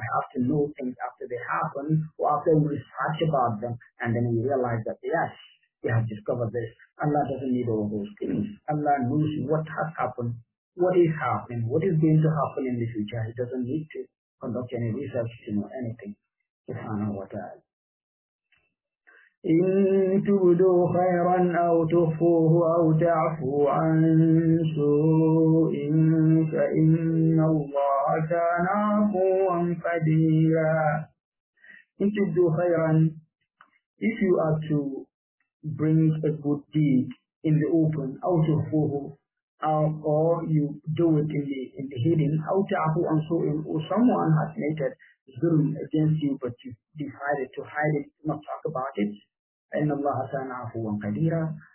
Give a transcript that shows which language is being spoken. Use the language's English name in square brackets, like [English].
[English] We have to know things after they happen, or after we research about them, and then we realize that, yes, we have discovered this. Allah doesn't need all those things. Allah knows what has happened, what is happening, what is going to happen in the future. He doesn't need to conduct any research to know anything. Subhanahu wa ta'ala. [Arabic] إن تبدوا خيرا أو تخفوه أو تعفو عن سوء فإن الله كان عفوا قديرا. [English] إن تبدوا خيرا, if you are to bring a good deed in the open, أو تخفوه, or you do it in the hidden, أو تعفو عن سوء, or someone has made a zulm against you but you decided to hide it, not talk about it, إِنَّ اللَّهَ كَانَ عَفُوًّا قَدِيرًا.